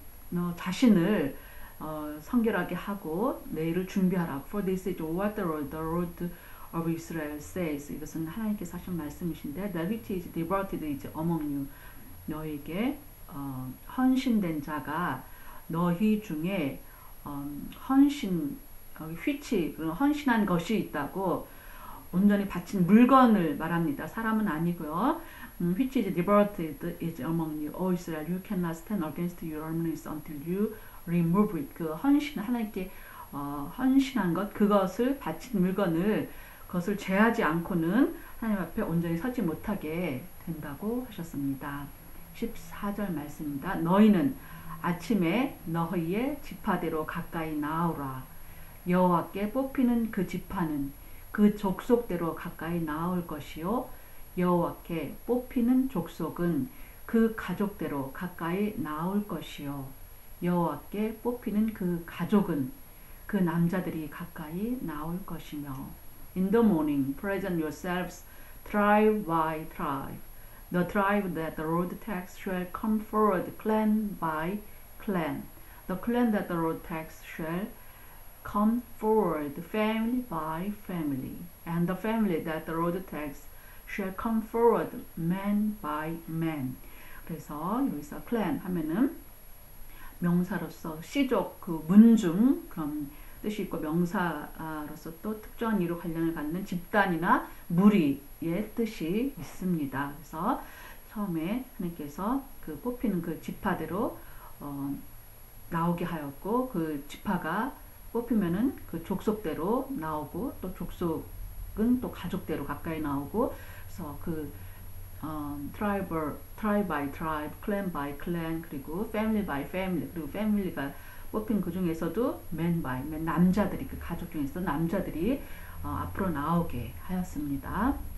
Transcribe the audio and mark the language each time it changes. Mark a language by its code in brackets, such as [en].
[ko] 너 자신을 성결하게 하고 내일을 준비하라고. [en] For this is what the Lord of Israel says. [ko] 이것은 하나님께서 하신 말씀이신데, [en] that which is devoted is among you. [ko] 너에게 헌신된 자가 너희 중에 헌신 휘치 그런 헌신한 것이 있다고 온전히 바친 물건을 말합니다. 사람은 아니고요. [en] Which is devoted is among you, O Israel. You cannot stand against your enemies until you remove it. [ko] 그 헌신 하나님께 헌신한 것 그것을 바친 물건을 그것을 제하지 않고는 하나님 앞에 온전히 서지 못하게 된다고 하셨습니다. 14절 말씀입니다. 너희는 아침에 너희의 지파대로 가까이 나오라. 여호와께 뽑히는 그 지파는 그 족속대로 가까이 나올 것이요 여호와께 뽑히는 족속은 그 가족대로 가까이 나올 것이요 여호와께 뽑히는 그 가족은 그 남자들이 가까이 나올 것이며 [en] In the morning, present yourselves tribe by tribe. The tribe that the Lord takes shall come forward clan by clan. The clan that the Lord takes shall come forward family by family. And the family that the Lord takes shall come forward man by man. [ko] 그래서 여기서 clan 하면은 명사로서 씨족 그 문중 그런 뜻이 있고 명사로서 또 특정한 이로 관련을 갖는 집단이나 무리의 뜻이 있습니다. 그래서 처음에 하나님께서 그 뽑히는 그 지파대로 나오게 하였고 그 지파가 뽑히면은 그 족속대로 나오고 또 족속은 또 가족대로 가까이 나오고 그래서 그 [en] tribe by tribe, clan by clan, [ko] 그리고 [en] family by family, [ko] 그리고 family가 뽑힌 그 중에서도 [en] man by man, [ko] 남자들이 그 가족 중에서 남자들이 앞으로 나오게 하였습니다.